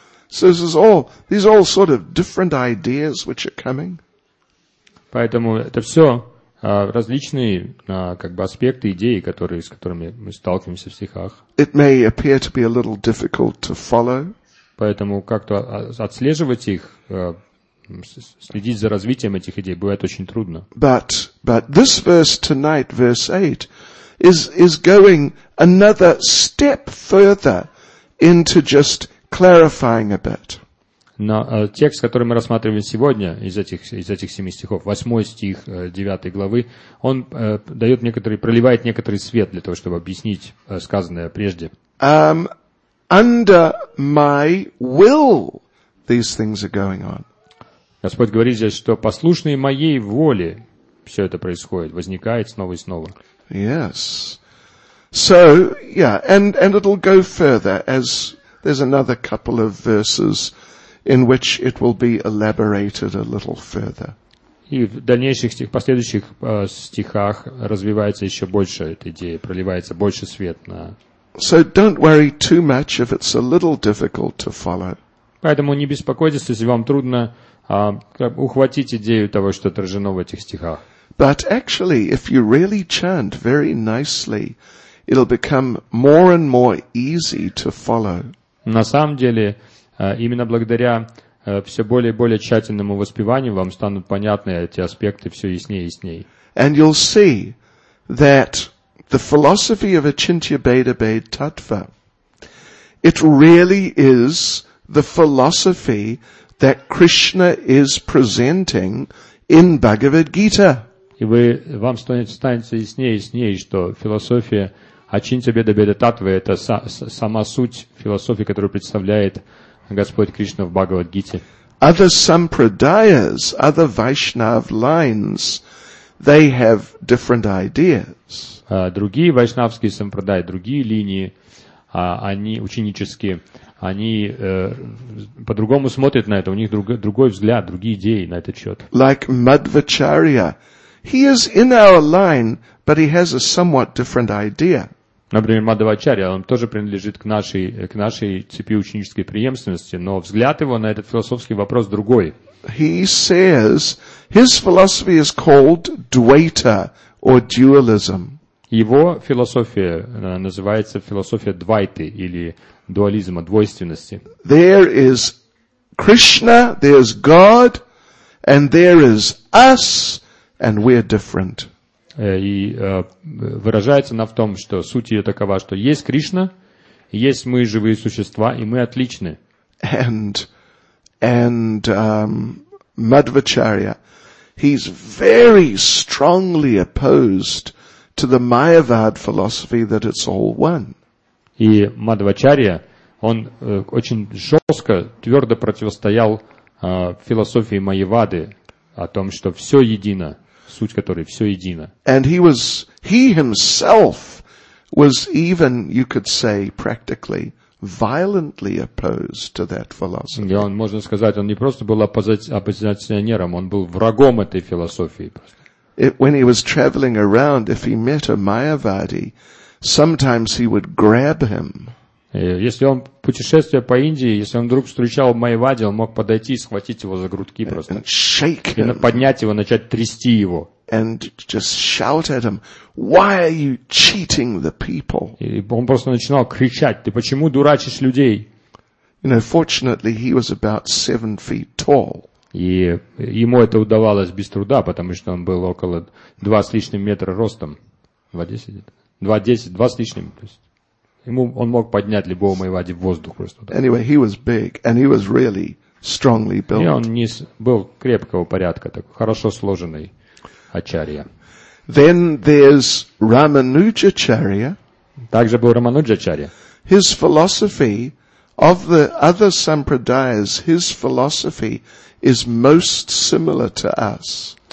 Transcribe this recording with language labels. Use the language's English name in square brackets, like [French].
[English] So these are all sort of different ideas which are coming. [Russian] Поэтому это все различные как бы аспекты, идеи, с которыми мы сталкиваемся в стихах. [English] It may appear to be a little difficult to follow. [Russian] Поэтому как-то отслеживать их, следить за развитием этих идей бывает очень трудно. [English] But this verse tonight, verse 8, is going another step further into just clarifying a bit. [Russian] Но текст, который мы рассматриваем сегодня из этих семи стихов, восьмой стих девятой главы, он проливает некоторый свет для того, чтобы объяснить сказанное прежде. [English] Under my will these things are going on. [Russian] Господь говорит здесь, что послушные моей воле все это происходит, возникает снова и снова. [English] Yes. So, yeah, and it'll go further as there's another couple of verses in which it will be elaborated a little further. [Russian] И в дальнейших последующих стихах развивается еще больше эта идея, проливается больше свет на. [English] So don't worry too much if it's a little difficult to follow. [Russian] Поэтому не беспокойтесь, если вам трудно ухватить идею того, что отражено в этих стихах. [English] But actually, if you really chant very nicely, it'll become more and more easy to follow. [Russian] На самом деле, именно благодаря все более и более тщательному воспеванию вам станут понятны эти аспекты все яснее и яснее. [English] And you'll see that the philosophy of Achintya-Bheda-Bheda-Tattva, it really is the philosophy that Krishna is presenting in Bhagavad Gita. [Russian] И вам станет яснее и яснее, что философия Ачинтья-Бхеда-Бхеда-Таттва это сама суть философии, которую представляет Господь Кришна в Бхагавад-гите. [English] Other sampradayas, other Vaishnav lines, they have different ideas. [Russian] Другие вайшнавские сампрадаи, другие линии, они ученические, они по-другому смотрят на это, у них другой взгляд, другие идеи на этот счет. [English] Like Madhvacharya, he is in our line, but he has a somewhat different idea. [Russian] Например, Мадхвачарья, он тоже принадлежит к нашей цепи ученической преемственности, но взгляд его на этот философский вопрос другой. [English] He says his philosophy is called Dvaita or dualism. [Russian] Его философия называется философия Двайты или дуализма, двойственности. [English] There is Krishna, there is God, and there is us, and we're different. [Russian] И выражается она в том, что суть ее такова, что есть Кришна, есть мы, живые существа, и мы отличны. [English] And Madhvacharya, he's very strongly opposed to the Mayavad philosophy that it's all one. [Russian] И Мадхвачарья, он очень жестко, твердо противостоял философии Майявады о том, что все едино, суть которой все едино. [English] And he himself was even, you could say, practically violently opposed to that philosophy. [Russian] И он, можно сказать, он не просто был оппозиционером, он был врагом этой философии. [English] When he was traveling around, if he met a Mayavadi, sometimes he would grab him. [Russian] Если он путешествуя по Индии, если он вдруг встречал Майявади, он мог подойти и схватить его за грудки просто. [English] And shake him. [Russian] И поднять его, начать трясти его. [English] And just shout at him, "Why are you cheating the people?" [Russian] И он просто начинал кричать: "Ты почему дурачишь людей?" [English] You know, fortunately, he was about 7 feet tall. [Russian] И ему это удавалось без труда, потому что он был около 2 с лишним метра ростом. 2 с лишним. То есть ему он мог поднять любого Майявади в воздух просто. Так. [English] Anyway, he was big and he was really strongly built. [Russian] И он не был крепкого порядка, так хорошо сложенный ачарья. [English] Then there's Рамануджачарья. [Russian] Также был Рамануджачарья. [English] His philosophy of the other sampradayas, his philosophy is most similar to us.